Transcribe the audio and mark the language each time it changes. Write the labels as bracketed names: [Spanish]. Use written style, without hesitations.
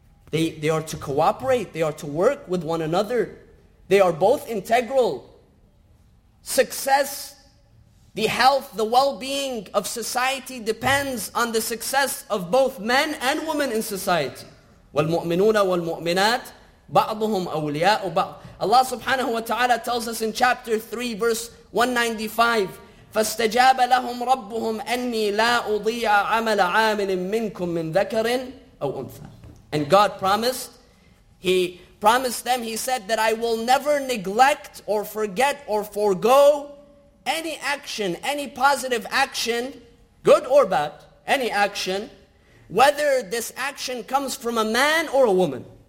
[English] They are to cooperate, they are to work with one another. They are both integral. Success, the health, the well-being of society depends on the success of both men and women in society. [Arabic] وَالْمُؤْمِنُونَ وَالْمُؤْمِنَاتِ بَعْضُهُمْ أَوْلِيَاءُ بَعْضٍ. [English] Allah subhanahu wa ta'ala tells us in chapter 3, verse 195, [Arabic] فَاسْتَجَابَ لَهُمْ رَبُّهُمْ أَنِّي لَا أُضِيعَ عَمَلَ عَامِلٍ مِّنْكُمْ مِّنْ ذَكَرٍ أَوْ أُنْثَى. [English] And God promised, He promised them, He said that I will never neglect or forget or forego any action, any positive action, good or bad, any action, whether this action comes from a man or a woman.